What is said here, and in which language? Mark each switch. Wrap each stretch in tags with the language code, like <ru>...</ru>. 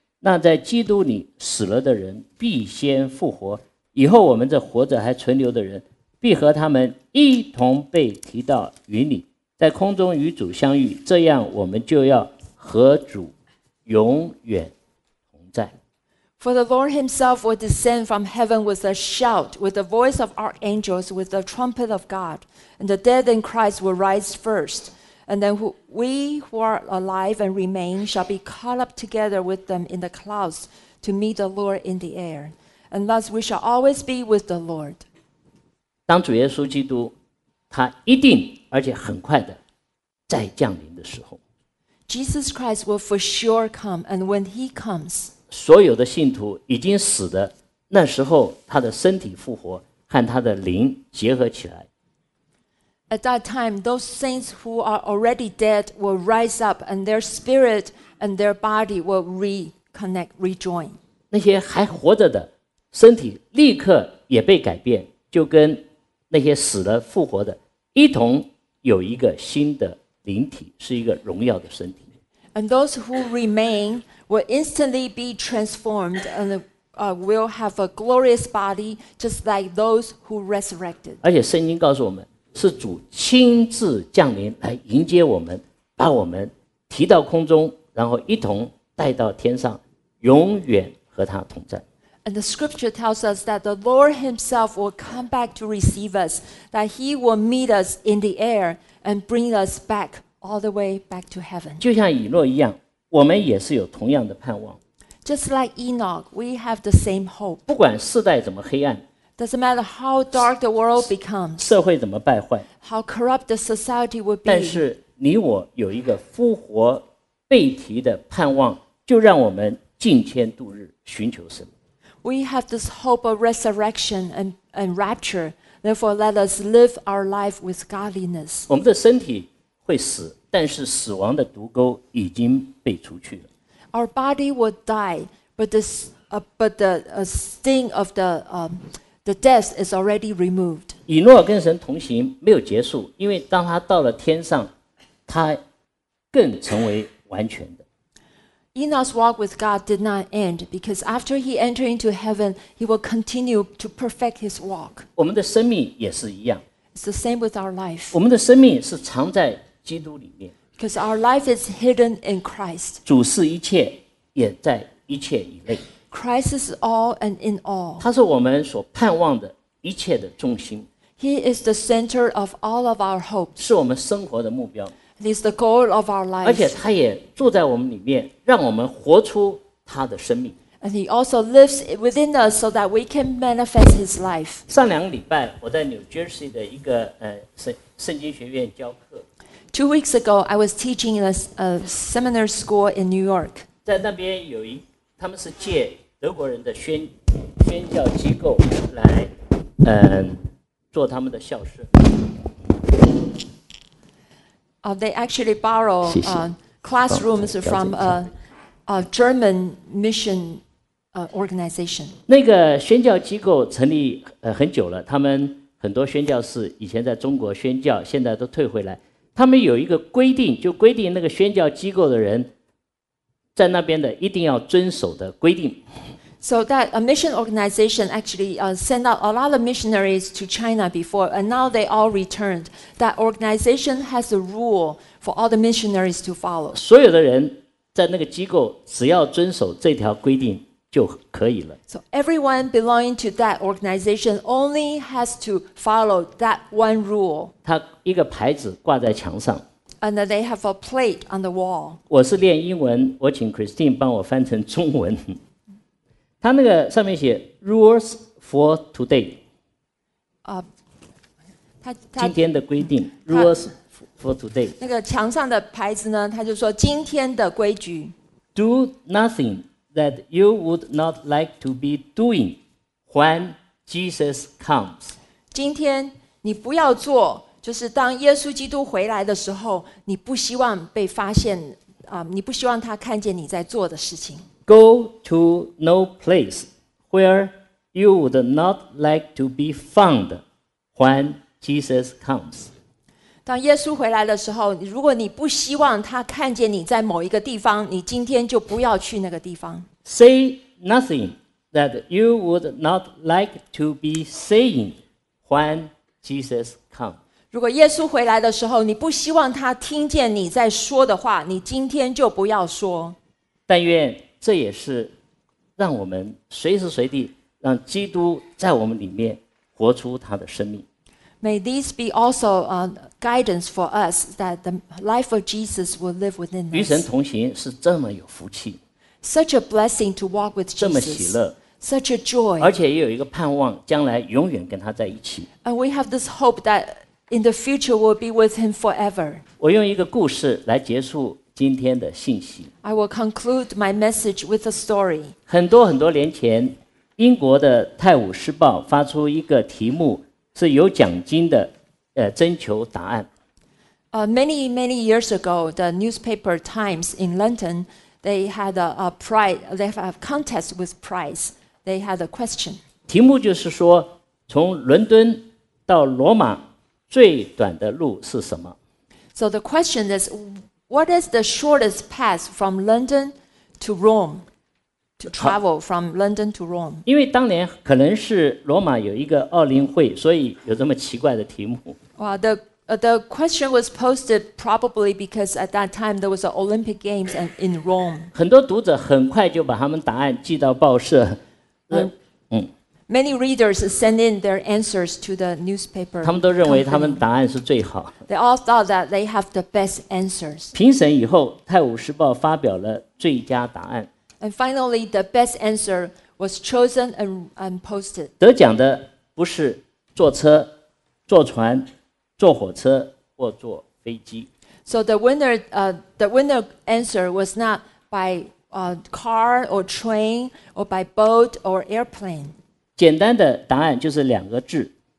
<zh>那在基督里死了的人必先复活，以后我们这活着还存留的人必和他们一同被提到云里，在空中与主相遇，这样我们就要和主永远同在。</zh> <en>For the Lord himself will descend from heaven with a shout, with the voice of archangels, with the trumpet of God, and the dead in Christ will rise first. And then we who are alive and remain shall be caught up together with them in the clouds to meet the Lord in the air. And thus we shall always be with the Lord.</en> <zh>当主耶稣基督他一定而且很快的再降临的时候，</zh> <en>Jesus Christ will for sure come, and when he comes,</en> <zh>所有的信徒已经死的那时候，他的身体复活和他的灵结合起来。</zh> <en>At that time, those saints who are already dead will rise up, and their spirit and their body will reconnect, rejoin.</en> <zh>那些还活着的身体立刻也被改变，就跟那些死的复活的一同有一个新的灵体，是一个荣耀的身体。</zh> <en>And those who remain will instantly be transformed and will have a glorious body just like those who resurrected.</en> <zh>而且圣经告诉我们，是主亲自降临来迎接我们，把我们提到空中，然后一同带到天上，永远和他同在。</zh> <en>And the scripture tells us that the Lord himself will come back to receive us, that he will meet us in the air and bring us back. All the way back to heaven.</en> <zh>就像以诺一样，我们也是有同样的盼望。</zh> <en>Just like Enoch, we have the same hope.</en> <zh>不管世代怎么黑暗，</zh> <en>doesn't matter how dark the world becomes.</en> <zh>社会怎么败坏，</zh> <en>how corrupt the society would be.</en> <zh>但是你我有一个复活被提的盼望，就让我们敬虔度日，寻求神。</zh> <en>We have this hope of resurrection and rapture. Therefore, let us live our life with godliness.</en> <zh>我们的身体会死，但是死亡的毒钩已经被除去了。</zh> <en>Our body will die, but the sting of the death is already removed.</en> <zh>以诺跟神同行没有结束，因为当他到了天上，他更成为完全的。</zh> <en>Enoch's walk with God did not end because after he entered into heaven, he will continue to perfect his walk.</en> <zh>我们的生命也是一样。</zh> <en>It's the same with our life.</en> <zh>我们的生命是藏在基督里面。</zh> <en>Because our life is hidden in Christ.</en> <zh>主是一切，也在一切以内。</zh> <en>Christ is all and in all.</en> <zh>他是我们所盼望的一切的重心。</zh> <en>He is the center of all of our hopes.</en> <zh>是我们生活的目标。</zh> <en>It is the goal of our life.</en> <zh>而且他也住在我们里面，让我们活出他的生命。</zh> <en>And he also lives within us so that we can manifest his life.</en> <zh>上两个礼拜，我在 New Jersey 的一个圣经学院教课。</zh> <en>Two weeks ago, I was teaching in a seminary school in New York.</en> <zh>在那边有一，他们是借德国人的宣教机构来，做他们的校舍。</zh> <en>They actually borrow classrooms from a German mission organization.</en> <zh>那个宣教机构成立很久了，他们很多宣教士以前在中国宣教，现在都退回来。他们有一个规定，就规定那个宣教机构的人在那边的一定要遵守的规定。</zh> <en>So that a mission organization actually sent out a lot of missionaries to China before, and now they all returned. That organization has a rule for all the missionaries to follow.</en> <zh>所有的人在那个机构只要遵守这条规定就可以了。</zh> <en>So everyone belonging to that organization only has to follow that one rule.</en> <zh>他一个牌子挂在墙上。</zh> <en>And they have a plate on the wall.</en> <zh>我是练英文，我请 Christine 帮我翻成中文。他那个上面写</zh> <en>rules for today.</en> <zh>今天的规定 rules for today. 那个墙上的牌子呢，他就说今天的规矩。</zh> <en>Do nothing that you would not like to be doing when Jesus comes.</en> <zh>今天你不要做，就是当耶稣基督回来的时候，你不希望被发现，你不希望他看见你在做的事情。</zh> <en>Go to no place where you would not like to be found when Jesus comes.</en> <zh>当耶稣回来的时候，如果你不希望他看见你在某一个地方，你今天就不要去那个地方。</zh> <en>Say nothing that you would not like to be saying when Jesus comes.</en> <zh>如果耶稣回来的时候，你不希望他听见你在说的话，你今天就不要说。但愿这也是让我们随时随地让基督在我们里面活出他的生命。</zh> <en>May this be also a guidance for us that the life of Jesus will live within us.</en> <zh>与神同行是这么有福气。</zh> <en>Such a blessing to walk with Jesus.</en> <zh>这么喜乐。</zh> <en>Such a joy.</en> <zh>而且也有一个盼望，将来永远跟他在一起。</zh> <en>And we have this hope that in the future we'll be with him forever.</en> <zh>我用一个故事来结束今天的信息。</zh> <en>I will conclude my message with a story.</en> <zh>很多很多年前，英国的《泰晤士报》发出一个题目，是有奖金的，征求答案。</zh> <en>Many years ago, the newspaper Times in London, they had a prize. They have a contest with prize. They had a question.</en> <zh>题目就是说，从伦敦到罗马最短的路是什么</zh> <en>？So the question is, what is the shortest path from London to Rome? To travel from London to Rome.</en> <zh>因为当年可能是罗马有一个奥林会，所以有这么奇怪的题目。</zh> <en>The question was posted probably because at that time there was an Olympic Games in Rome.</en> <zh>很多读者很快就把他们答案寄到报社。</zh> <en>Many readers send in their answers to the newspaper.</en> <zh>他们都认为他们答案是最好。</zh> <en>They all thought that they have the best answers.</en> <zh>评审以后，《泰晤士报》发表了最佳答案。</zh> <en>And finally, the best answer was chosen and posted.</en> <zh>得奖的不是坐车、坐船、坐火车或坐飞机。</zh> <en>So the winner answer was not by car or train or by boat or airplane.</en> <zh>简单的答案就是两个字。</zh>